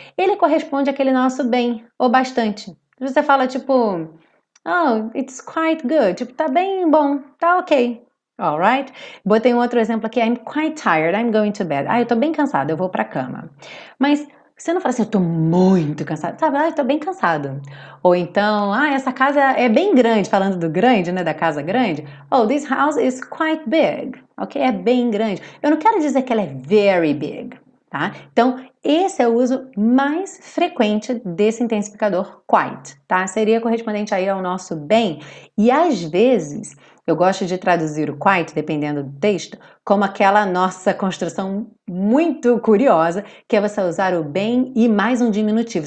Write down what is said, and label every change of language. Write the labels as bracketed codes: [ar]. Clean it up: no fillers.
[pt] Ele corresponde àquele nosso bem, ou bastante. Você fala tipo, [en] oh, it's quite good, [pt] tipo, tá bem bom, tá ok. Alright? Botei um outro exemplo aqui, [en] I'm quite tired, I'm going to bed. [pt] Ah, eu tô bem cansada, eu vou pra cama. Mas você não fala assim, eu tô muito cansado, sabe? Ah, eu tô bem cansado. Ou então, ah, essa casa é bem grande, falando do grande, né, da casa grande. [en] Oh, this house is quite big, ok? [pt] É bem grande. Eu não quero dizer que ela é very big, tá? Então, esse é o uso mais frequente desse intensificador quite, tá? Seria correspondente aí ao nosso bem. E às vezes, eu gosto de traduzir o quite, dependendo do texto, como aquela nossa construção muito curiosa, que é você usar o bem e mais um diminutivo.